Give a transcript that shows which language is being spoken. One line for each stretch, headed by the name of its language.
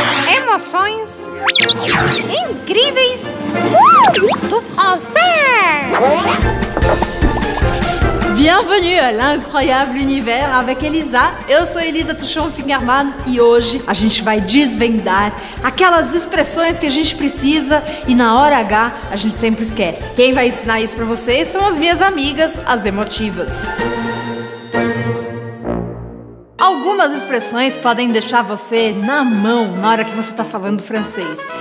Portuguese: Informações incríveis do francês!
French: Bienvenue à l'incroyable univers avec Elisa.
Portuguese: Eu sou Elisa Tuchon-Fingerman e hoje a gente vai desvendar aquelas expressões que a gente precisa e na hora H a gente sempre esquece. Quem vai ensinar isso pra vocês são as minhas amigas, as emotivas. Algumas expressões podem deixar você na mão na hora que você está falando francês.